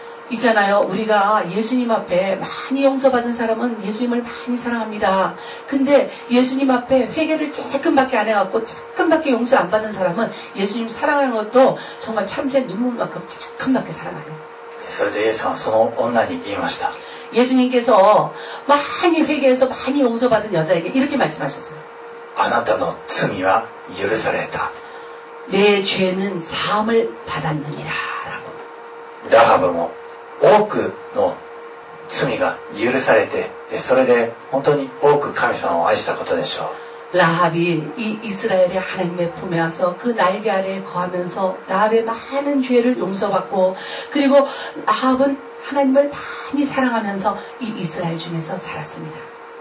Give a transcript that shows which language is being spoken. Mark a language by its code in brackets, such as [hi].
[ko] 있잖아요우리가예수님앞에많이용서받은사람은예수님을많이사랑합니다근데예수님앞에회개를조금밖에안해갖고조금밖에용서안받은사람은예수님사랑하는것도정말참새눈물만큼조금밖에사랑안해 [ja] 요それで예수님은그女に言いました [ko] 예수님께서많이회개해서많이용서받은여자에게이렇게말씀하셨어요 [ja] あなたの罪は許された [ko] 내죄는사함을받았느니라라고 [ja] 라합은多くの罪が許されて、それで本当に多く神様を愛したことでしょう。 [ko] ラハビ、イスラエル하나님의품에와서그날개아래에거하면서라합의많은죄를용서받고그리고라합은하나님을많이사랑하면서이이스라엘중에서살았습니다。